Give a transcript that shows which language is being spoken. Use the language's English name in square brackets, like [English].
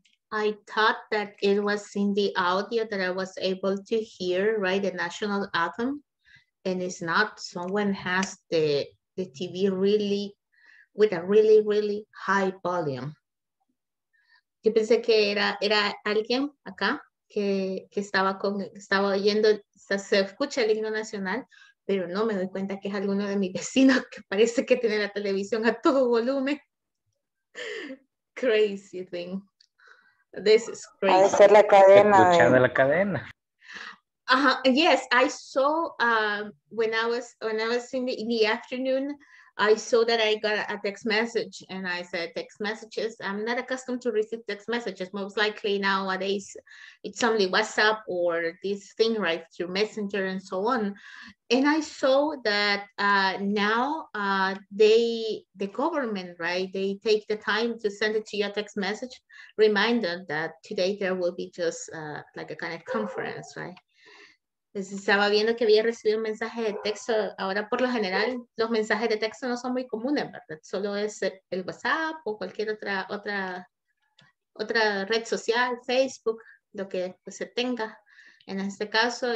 [English] I thought that it was in the audio that I was able to hear, right? The national anthem, and it's not. Someone has the TV really with a really, really high volume. [Spanish] Yo pensé que era alguien acá. Que estaba oyendo, se escucha el himno nacional, pero no me doy cuenta que es alguno de mis vecinos que parece que tiene la televisión a todo volumen. [English] Crazy thing. This is crazy. [Spanish] Ha de ser la cadena. Escuchando la cadena. [English] Yes, I saw when I was in the afternoon, I saw that I got a text message and I said, text messages, I'm not accustomed to receive text messages. Most likely nowadays, it's only WhatsApp or this thing, right, through Messenger and so on. And I saw that the government, right, they take the time to send it to your text message, reminder that today there will be just like a kind of conference, right? [Spanish] Estaba viendo que había recibido un mensaje de texto. Ahora, por lo general, los mensajes de texto no son muy comunes, ¿verdad? Solo es el WhatsApp o cualquier otra red social, Facebook, lo que pues, se tenga en este caso.